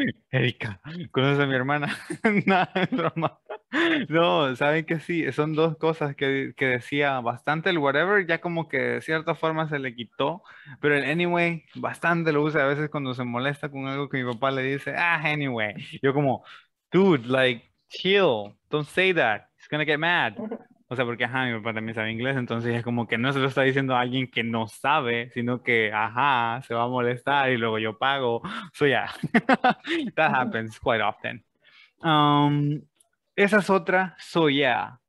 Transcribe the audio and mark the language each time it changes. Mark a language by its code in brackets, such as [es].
[es] Erika, ¿conoces a mi hermana? Nada, es broma. No, saben que sí, son dos cosas que decía bastante. El whatever ya como que de cierta forma se le quitó, pero el anyway bastante lo usa a veces cuando se molesta con algo que mi papá le dice, ah, anyway. Yo como, [en] dude, like, chill, don't say that. Gonna get mad. [es] O sea, porque ajá, mi papá también sabe inglés, entonces es como que no se lo está diciendo a alguien que no sabe, sino que ajá, se va a molestar y luego yo pago. [en] So yeah, that happens quite often. [es] Esa es otra, [en] so yeah.